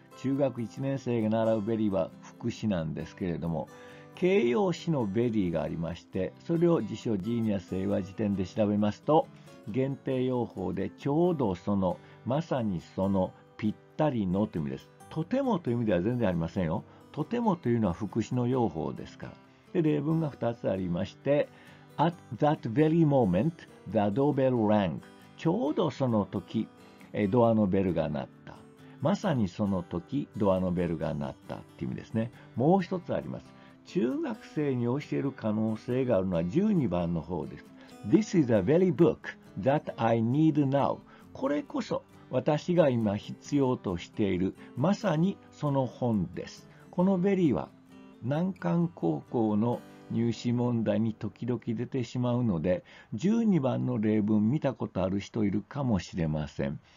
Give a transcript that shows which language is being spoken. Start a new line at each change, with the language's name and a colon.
Japanese: 中学1年生が習う very は副詞なんですけれども、形容詞のベリーがありまして、それを辞書ジーニアス英和辞典で調べますと、限定用法でちょうどその、まさにその、ぴったりのという意味です。とてもという意味では全然ありませんよ。とてもというのは副詞の用法ですから。で、例文が2つありまして、
English: At that very moment the doorbell rang。
Japanese: ちょうどその時ドアのベルが鳴った。まさにその時ドアのベルが鳴ったっていう意味ですね。もう一つあります。中学生に教える可能性があるのは12番の方です。
English: This is a very book that I need now。
Japanese: これこそ私が今必要としている、まさにその本です。このベリーは難関高校の入試問題に時々出てしまうので、12番の例文見たことある人いるかもしれません。